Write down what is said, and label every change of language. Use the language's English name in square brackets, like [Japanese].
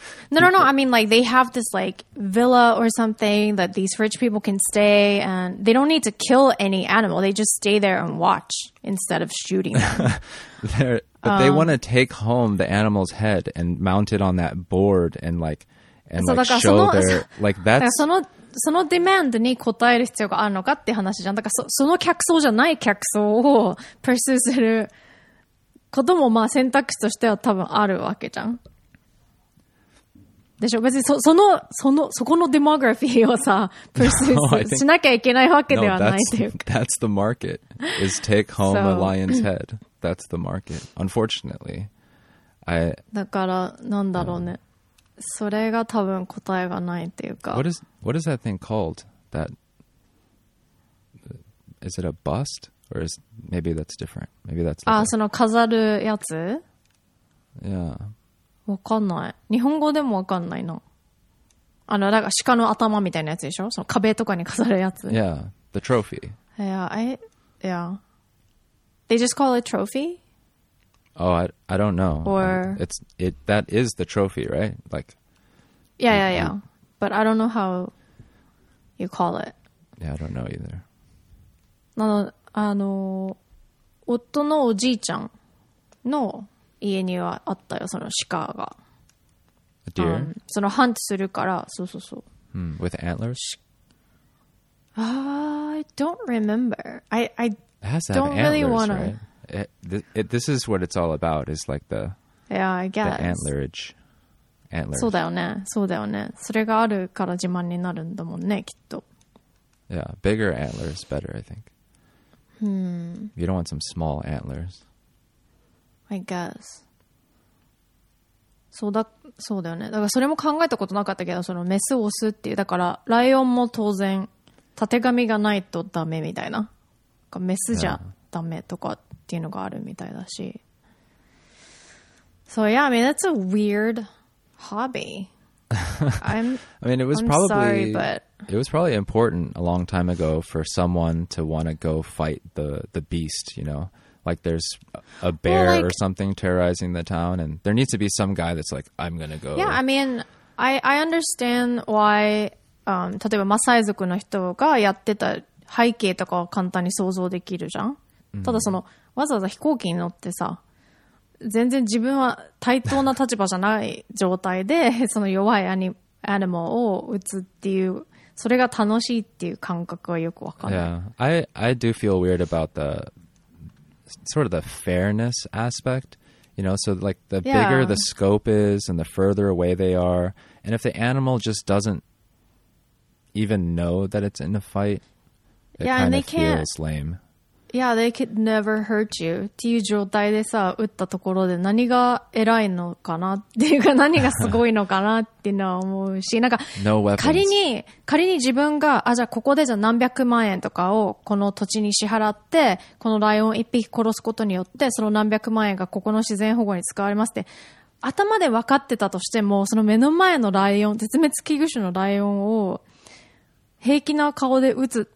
[English] no I mean like they have this like villa or something that these rich people can stay and they don't need to kill any animal they just stay there and watch instead of shooting them but they want to take home the animal's head and mount it on that board and like and like show their like that's [Japanese] そのディマンドに応える必要があるのかって話じゃん。だから その客層じゃない客層をプルスすることもまあ選択肢としては多分あるわけじゃん。でしょ別に そこのデモグラフィーをさ、プルスしなきゃいけないわけではないっていうか。 [English] That's the market. Is take home a lion's head. That's the market. Unfortunately. [Japanese] だからなんだろうね。それが多分答えがないっていうか。 [English] What is that thing called? That is it a bust or is maybe that's different? Maybe that's [Japanese] ああその飾るやつ [English] ？Yeah。 [Japanese] わかんない。日本語でもわかんないな。あのなんか鹿の頭みたいなやつでしょ？その壁とかに飾るやつ。 [English] Yeah, the trophy. Yeah, They just call it trophy. Oh, I don't know. Or that is the trophy, right? Like, yeah. But I don't know how you call it. Yeah, I don't know either. [Japanese] あの、夫のおじいちゃんの家にはあったよ、その鹿が。 [English] A deer? [Japanese] そのハントするから、そうそうそう。 [English] With antlers? I don't remember. I don't really want to. This is what it's all about. Is like the yeah, I guess the antlerage. そうだよね。それがあるから自慢になるんだもんね、きっと。 Yeah, bigger antlers better, I think. Hmm. You don't want some small antlers. I guess. [Japanese] そうだ、そうだよね。だからそれも考えたことなかったけど、そのメスオスっていう、だからライオンも当然たてがみがないとダメみたいな、メスじゃダメとかっていうのがあるみたいだし。 [English] So yeah, I mean that's a weird hobby. It was probably important a long time ago for someone to want to go fight the beast, you know? Like there's a bear or something terrorizing the town, and there needs to be some guy that's like, I'm going to go. Yeah, I mean, I understand why, [Japanese] 例えばマサイ族の人がやってた背景とかは簡単に想像できるじゃん。ただその、わざわざ飛行機に乗ってさ、全然自分は対等な立場じゃない状態で、その弱いアニマルを撃つっていう、それが楽しいっていう感覚はよくわかんない。 [English] Yeah, I do feel weird about the sort of the fairness aspect, you know, so like the bigger the scope is and the further away they are, and if the animal just doesn't even know that it's in a fight, it kind of feels lame. Yeah, they could never hurt you. [Japanese] っていう状態でさ、撃ったところで何が偉いのかなっていうか、何がすごいのかなっていうのは思うし、なんか、 [English] no weapons. [Japanese] 仮に自分が、あ、じゃあここでじゃあ何百万円とかをこの土地に支払って、このライオン一匹殺すことによって、その何百万円がここの自然保護に使われますって、頭で分かってたとしても、その目の前のライオン、絶滅危惧種のライオンを、平気な顔で撃つ。